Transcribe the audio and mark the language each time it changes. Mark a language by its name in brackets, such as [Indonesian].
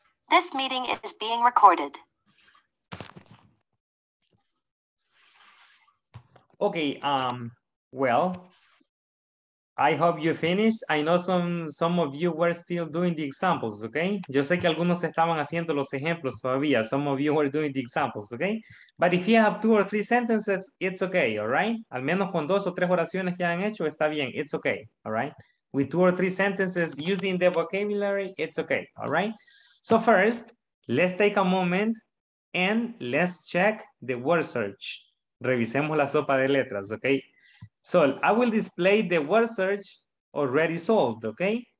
[English] This meeting is being recorded. Okay, well, I hope you finished. I know some of you were still doing the examples, okay? [Spanish] Yo sé que algunos estaban haciendo los ejemplos todavía. [English] Some of you were doing the examples, okay? But if you have two or three sentences, it's okay, all right? [Spanish] Al menos con dos o tres oraciones que han hecho, está bien. [English] It's okay, all right? With two or three sentences using the vocabulary, it's okay, all right? So first, let's take a moment and let's check the word search. [Spanish] Revisemos la sopa de letras, [English] okay? So I will display the word search already solved, okay?